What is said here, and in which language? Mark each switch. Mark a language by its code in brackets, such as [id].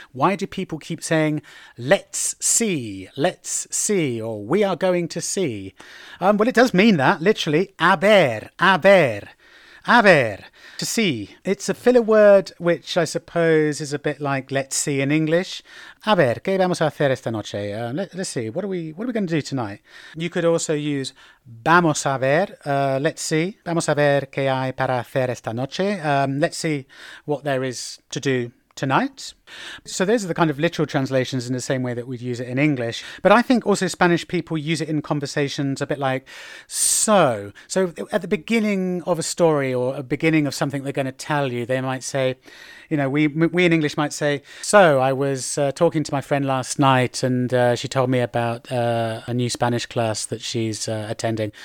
[en] Why do people keep saying, let's see, or we are going to see? Well, it does mean that, literally, a ver, a ver, a ver, to see. It's a filler word which I suppose is a bit like let's see in English. [es] A ver, ¿qué vamos a hacer esta noche? [en] Let's see, what are we going to do tonight? You could also use [es] vamos a ver, [en] let's see. [es] Vamos a ver qué hay para hacer esta noche. [en] Let's see what there is to do tonight. So those are the kind of literal translations in the same way that we'd use it in English. But I think also Spanish people use it in conversations a bit like so. So at the beginning of a story or a beginning of something they're going to tell you, they might say, you know, we in English might say, so I was talking to my friend last night and she told me about a new Spanish class that she's attending.